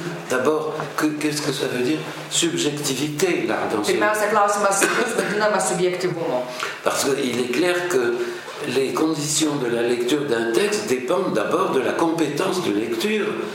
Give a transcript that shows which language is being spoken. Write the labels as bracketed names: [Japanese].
[French] D'abord, qu'est-ce que ça veut dire subjectivité là dans ce... [Lithuanian] Pirmiausia, klausimas, kas vadinama subjektivumu. [French] Parce qu'il est clair que les conditions de la lecture d'un texte dépendent d'abord de la compétence de lecture.